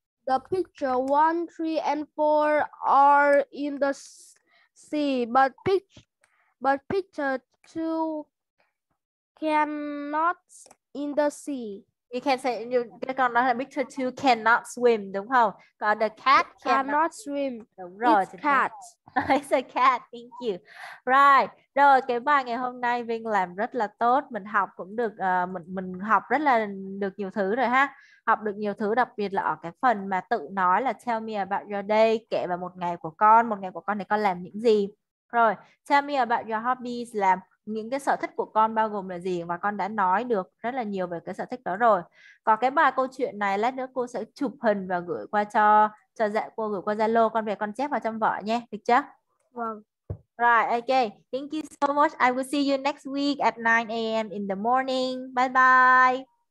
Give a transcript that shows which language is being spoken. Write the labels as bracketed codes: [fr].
[en] The picture 1, 3, and 4 are in the sea, but picture 2 cannot in the sea. You can say, [vi] cái con nói là [en] picture 2 cannot swim, [vi] đúng không? [en] Còn the cat cannot swim. [vi] Đúng rồi. [en] It's cat. It's a cat, thank you. Right. [vi] Rồi, cái bài ngày hôm nay Vinh làm rất là tốt. Mình học cũng được, mình học rất là được nhiều thứ rồi ha. Học được nhiều thứ, đặc biệt là ở cái phần mà tự nói là [en] tell me about your day, [vi] kể về một ngày của con. Một ngày của con thì con làm những gì? Rồi, [en] tell me about your hobbies, [vi] làm những cái sở thích của con bao gồm là gì, và con đã nói được rất là nhiều về cái sở thích đó rồi. Có cái bài câu chuyện này lát nữa cô sẽ chụp hình và gửi qua cho dạy cô, gửi qua Zalo, con về con chép vào trong vở nhé, được chưa? Vâng. [en] Right, okay. Thank you so much. I will see you next week at 9 a.m. in the morning. Bye bye.